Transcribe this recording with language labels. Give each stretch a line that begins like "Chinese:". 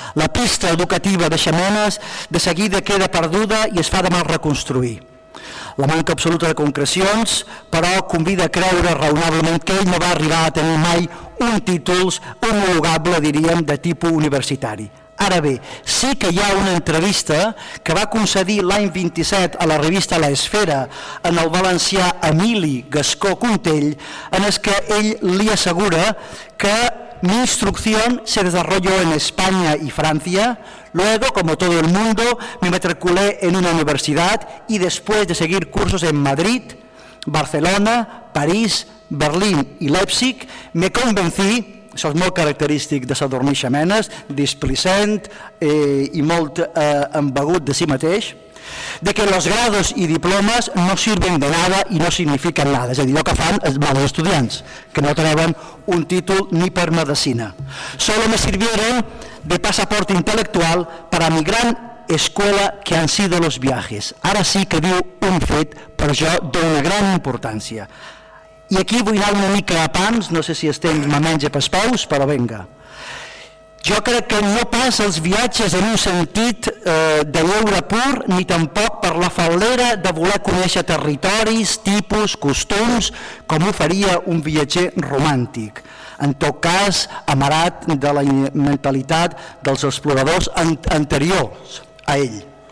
Catalan: La pista educativa de Ximenes de seguida queda perduda i es fa de mal reconstruir. La manca absoluta de concrecions, però convida a creure raonablement que ell no va arribar a tenir mai un títol homologable, diríem, de tipus universitari. Ara bé, sí que hi ha una entrevista que va concedir l'any 27 a la revista La Esfera en el valencià Emili Gascó Contell, en el que ell li assegura que
Spanish: mi instrucción se desarrolló en España y Francia, luego, como todo el mundo, me matriculé en una universidad y después de seguir cursos en Madrid, Barcelona, París, Berlín y Leipzig, me convencí.
Catalan: Això és molt característic de Sadurní Ximenes, displicent i molt embegut de si mateix, de que els grados i diplomes
Spanish: no sirven de nada
Catalan: i no signifiquen nada, és a dir, el que fan els mals estudiants, que no treuen un títol ni per medicina.
Spanish: Solo me sirvieron de pasaporte intelectual para mi gran escuela que han sido los viajes.
Catalan: Ara sí que diu un fet, però jo dono gran importància. I aquí vull anar una mica a pams, no sé si el temps me menja pels peus, però venga. Jo crec que no pas els viatges en un sentit de lleure pur, ni tampoc per la fal·lera de voler conèixer territoris, tipus, costums, com ho faria un viatger romàntic, en tot cas amarat de la mentalitat dels exploradors anteriors a ell.